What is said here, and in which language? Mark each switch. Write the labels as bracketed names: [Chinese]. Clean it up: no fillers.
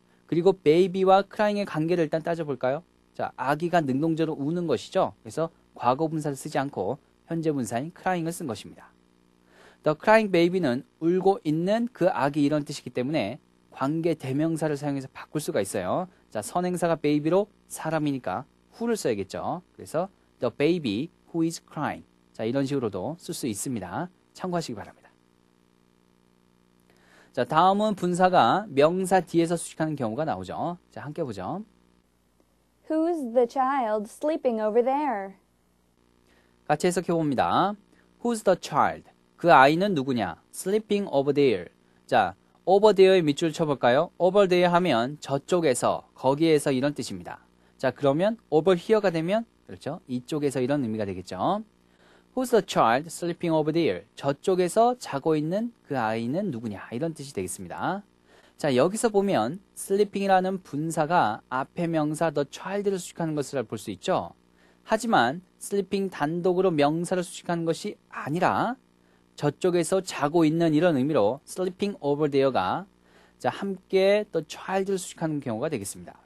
[Korean] 그리고 baby와 crying의 관계를 일단 따져볼까요? 자, 아기가 능동적으로 우는 것이죠. 그래서 과거 분사를 쓰지 않고 현재 분사인 crying을 쓴 것입니다. [English] The crying baby [Korean] 는 울고 있는 그 아기 이런 뜻이기 때문에 관계 대명사를 사용해서 바꿀 수가 있어요. 자, 선행사가 베이비로 사람이니까 who를 써야겠죠. [English] 그래서 the baby who is crying. [Korean] 자, 이런 식으로도 쓸수 있습니다. 참고하시기 바랍니다. 자, 다음은 분사가 명사 뒤에서 수식하는 경우가 나오죠. 자, 함께 보죠. [English] Who's the child sleeping over there? [Korean] 같이 해석해 봅니다. [English] Who's the child? [Korean] 그 아이는 누구냐? [English] Sleeping over there. [Korean] 자, over there에 밑줄을 쳐볼까요? over there 하면 저쪽에서, 거기에서 이런 뜻입니다. 자, 그러면 over here가 되면, 그렇죠? 이쪽에서 이런 의미가 되겠죠. [English] Who's the child sleeping over there? [Korean] 저쪽에서 자고 있는 그 아이는 누구냐? 이런 뜻이 되겠습니다. 자, 여기서 보면 sleeping이라는 분사가 앞에 명사 the child를 수식하는 것을 볼 수 있죠. 하지만 sleeping 단독으로 명사를 수식하는 것이 아니라 저쪽에서 자고 있는 이런 의미로 sleeping over there가 자, 함께 the child를 수식하는 경우가 되겠습니다.